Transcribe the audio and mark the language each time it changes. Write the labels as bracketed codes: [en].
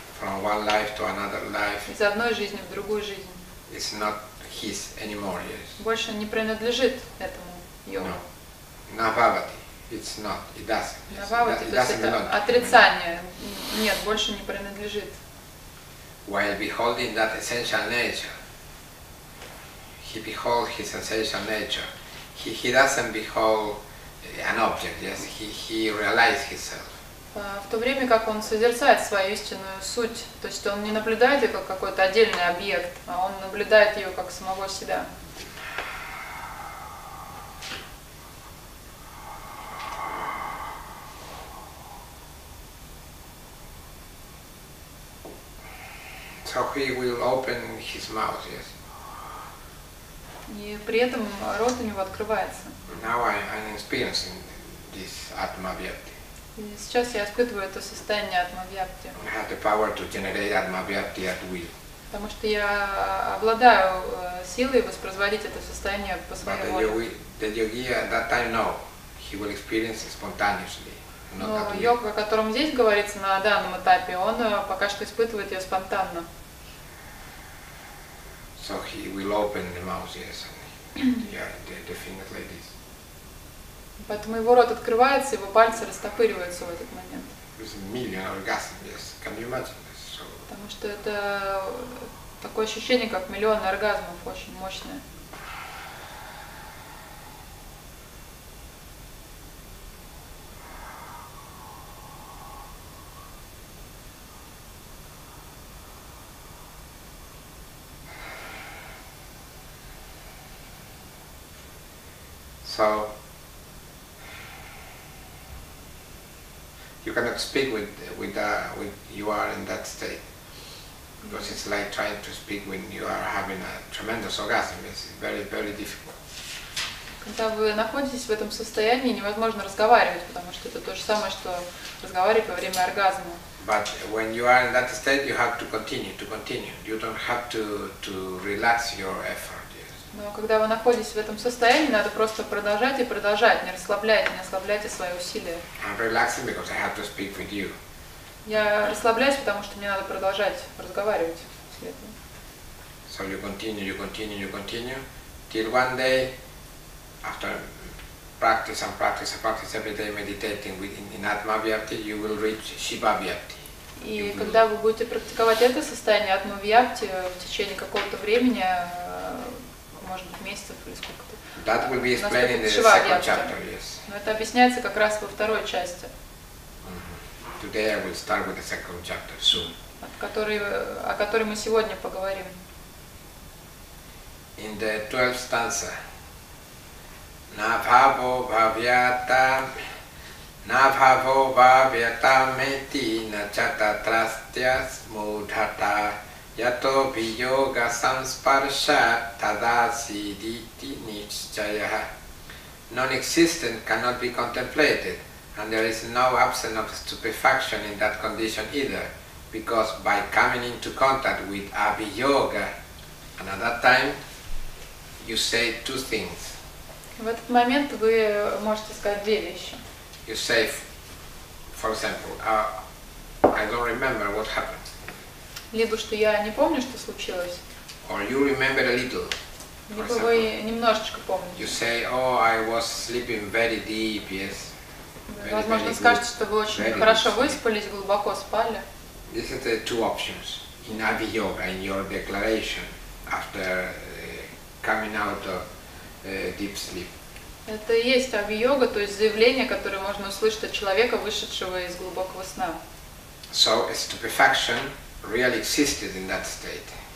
[en] From one life to another life. [ru] Из одной жизни в другую жизнь. [en] It's not his anymore, yes. [ru] Больше не принадлежит этому йогу. [en] No. Navavati. It's not. It doesn't. Yes. [sa] Navavati, [en] it doesn't [ru] то есть это отрицание. Нет, больше не принадлежит. [en] While beholding that essential nature, he beholds his essential nature. He doesn't behold an object, yes, he realizes himself. [ru] В то время как он созерцает свою истинную суть, то есть он не наблюдает ее как какой-то отдельный объект, а он наблюдает ее как самого себя. [en] So he will open his mouth, yes. [ru] И при этом рот у него открывается. [en] Now I'm experiencing this atma-vyapti. [ru] Сейчас я испытываю это состояние атма-вьяпти. [en] I have the power to generate атма-вьяпти at will. [ru] Потому что я обладаю силой воспроизводить это состояние по своей воле. [en] But the yogi at that time know he will experience it spontaneously. [ru] Но йог, о котором здесь говорится на данном этапе, он пока что испытывает ее спонтанно. [en] So he will open the mouth, yes, and the fingers like this. [ru] Поэтому его рот открывается, его пальцы растопыриваются в этот момент. Потому что это такое ощущение, как миллион оргазмов, очень мощное. [en] You cannot speak with you are in that state, because it's like trying to speak when you are having a tremendous orgasm. It's very, very difficult. [ru] Когда вы находитесь в этом состоянии, невозможно разговаривать, потому что это то же самое, что разговаривать во время оргазма. [en] But when you are in that state, you have to continue. You don't have to relax your effort. Yes. [ru] Но когда вы находитесь в этом состоянии, надо просто продолжать и продолжать, не расслабляйте свои усилия. [en] I'm relaxing because I have to speak with you. [ru] Я расслабляюсь, потому что мне надо продолжать разговаривать с этим. [en] So you continue, till one day, after practice every day meditating in Atma-vyapti, you will reach Shiva-vyapti. [ru] И когда вы будете практиковать это состояние Атма-вьяпти в течение какого-то времени, может быть месяцев или сколько-то, [en] that will be explained in the second chapter, yes. [ru] Но это объясняется как раз во второй части. [en] Today I will start with the second chapter soon. [ru] О которой мы сегодня поговорим. [en] In the 12th stanza. [sa] Navavo bhavyatam, navavo bhavyatam eti na chata trastyas mudhata yato viyoga samsparsha tadasiditi nischaya. [en] Non-existent cannot be contemplated, and there is no absence of stupefaction in that condition either, because by coming into contact with abhiyoga, and at that time, you say two things. [ru] В этот момент вы можете сказать две вещи. [en] You say, for example, I don't remember what happened. [ru] Либо что я не помню, что случилось. [en] Or you remember a little. [ru] Либо вы немножечко помните. [en] You say, oh, I was sleeping very deep, yes. [ru] Возможно, скажете, что вы очень хорошо выспались, глубоко спали. [en] These are the two options in Abhi Yoga, in your declaration after coming out of deep sleep. [ru] Это и есть Abhi Yoga, то есть заявление, которое можно услышать от человека, вышедшего из глубокого сна. [en] So a stupefaction really existed in that state.